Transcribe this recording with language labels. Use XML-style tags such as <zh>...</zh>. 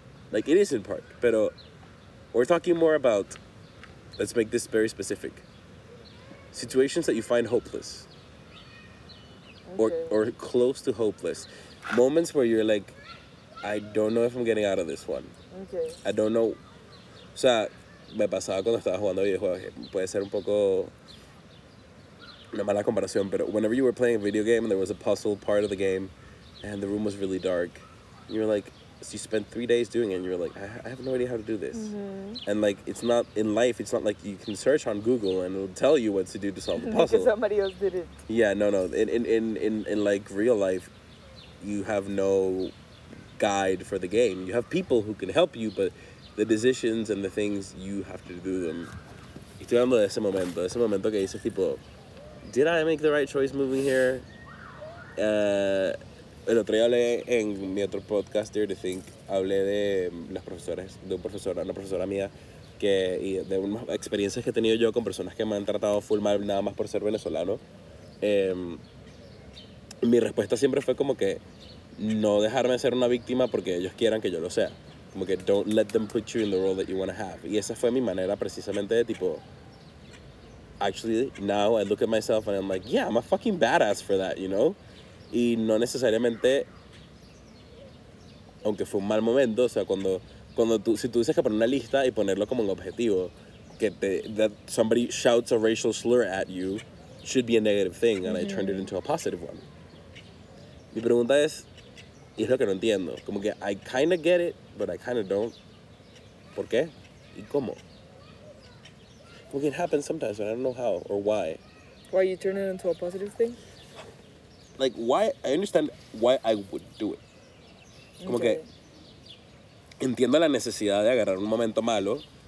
<en>Like, it is in part,</en> <es>pero</es> <en>we're talking more about. Let's make this very specific. Situations that you find hopeless, okay. or close to hopeless, moments where you're like, I don't know if I'm getting out of this one. Okay. I don't know.</en> <es>O sea, me pasaba cuando estaba jugando videojuegos. Puede ser un poco una mala comparación, pero</es> <en>whenever you were playing a video game and there was a puzzle part of the game, and the room was really dark, you were like, so you spent 3 days doing it, and you were like, I have no idea how to do this. Mm-hmm. And, like, it's not in life, it's not like you can search on Google and it'll tell you what to do to solve the puzzle. Because somebody else did it. Yeah, no. In like, real life, you have no guide for the game. You have people who can help you, but the decisions and the things, you have to do them.</en> <es>Y estoy hablando de ese momento que dices, tipo,</es> <en>did I make the right choice moving here?</en> <es>El otro día hablé en mi otro podcast, Dare to Think, hablé de los profesores, de una profesora mía, que y de experiencias que he tenido yo con personas que me han tratado full mal nada más por ser venezolano, mi respuesta siempre fue como que no dejarme ser una víctima porque ellos quieran que yo lo sea. Como que</es> <en>don't let them put you in the role that you want to have.</en> <es>Y esa fue mi manera precisamente de tipo,</es> <en>actually, now I look at myself and I'm like, yeah, I'm a fucking badass for that, you know?</en> <es>Y no necesariamente, aunque fue un mal momento, o sea, cuando tú, si tú dices que poner una lista y ponerlo como un objetivo, que te,</es> <en>that somebody shouts a racial slur at you should be a negative thing, and mm-hmm. I turned it into a positive one.</en> <es>Mi pregunta es, y es lo que no entiendo, como que</es> <en>I kind of get it, but I kind of don't.</en> <es>¿Por qué? ¿Y cómo?</es> <en>Well, it happens sometimes, but I don't know how or why. Why you turn it into a positive thing? Like, why? I understand why I would do it.</en> <es>Como okay. que entiendo la necesidad de agarrar un momento malo.</es>